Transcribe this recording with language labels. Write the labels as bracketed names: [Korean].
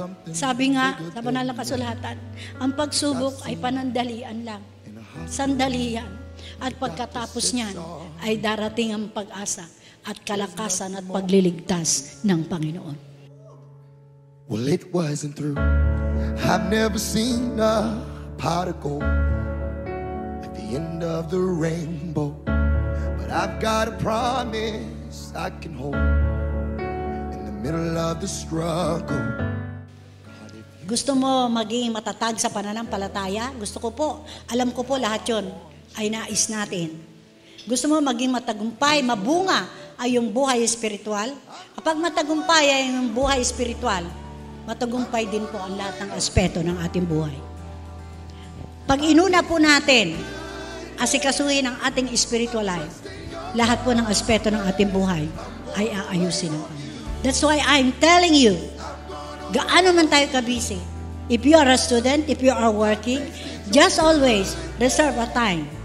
[Filipino] Sabi nga sa banal na kasulatan, ang pagsubok ay panandalian lang. Sandalian. At pagkatapos niyan, ay darating ang pag-asa at kalakasan at pagliligtas ng Panginoon. [English] Well, it wasn't true. I've never seen a pot of gold at the end of the rainbow. But I've got a promise I can hold in the middle of the struggle. [Filipino] Gusto mo maging matatag sa pananampalataya? Gusto ko po. Alam ko po lahat yun ay nais natin. Gusto mo maging matagumpay, mabunga ay yung buhay espiritual? Kapag matagumpay ay yung buhay espiritual, matagumpay din po ang lahat ng aspeto ng ating buhay. Pag inuna po natin, asikasuhin ang ating spiritual life, lahat po ng aspeto ng ating buhay ay aayusin ng Panginoon. [English] That's why I'm telling you, [Filipino] gaano man tayo kabisi, [English] if you are a student, if you are working, just always reserve a time.